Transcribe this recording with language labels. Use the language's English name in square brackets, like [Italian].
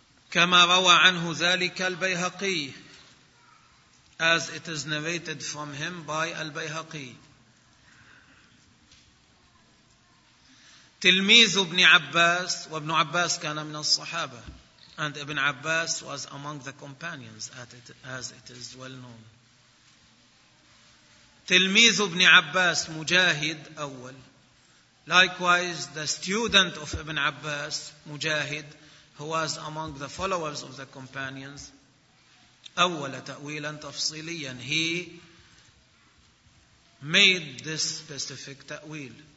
[Arabic] كما روى عنه ذلك البيهقي, [English] as it is narrated from him by البيهقي. [Arabic] تلميذ ابن عباس, وابن عباس كان من الصحابة, [English] and ابن عباس was among the companions, as it is well known. [Arabic] تلميذ ابن عباس مجاهد أول. [English] Likewise, the student of Ibn Abbas, Mujahid, who was among the followers of the companions, [Arabic] أول تأويلا تفصيليا, [English] he made this specific تأويل.